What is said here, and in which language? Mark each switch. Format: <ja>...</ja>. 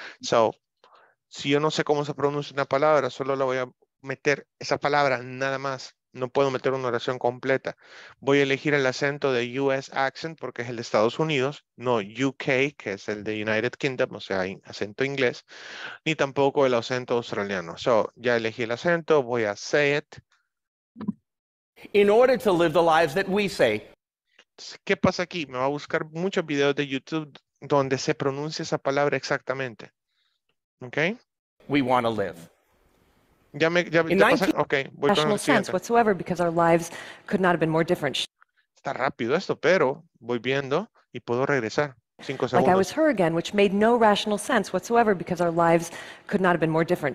<es>So, si yo no sé cómo se pronuncia una palabra, solo la voy a meter esa palabra, nada más. No puedo meter una oración completa. Voy a elegir el acento de US accent porque es el de Estados Unidos, no UK, que es el de United Kingdom, o sea, acento inglés, ni tampoco el acento australiano. So, ya elegí el acento, voy a</es> <en>say it. In order to live the lives that we say.</en> <es>¿Qué pasa aquí? Me va a buscar muchos videos de YouTube donde se pronuncia esa palabra exactamente. ¿Ok?</es> <en>We want to live.</en> <es>Ya me, ya, ya pasa, okay, voy</es> <en>national sense whatsoever, because our lives could not have been more different.</en> <es>Está rápido esto, pero voy viendo y puedo regresar. 5 segundos.</es> <en>Like I was her again, which made no rational sense whatsoever because our lives could not have been more different.</en>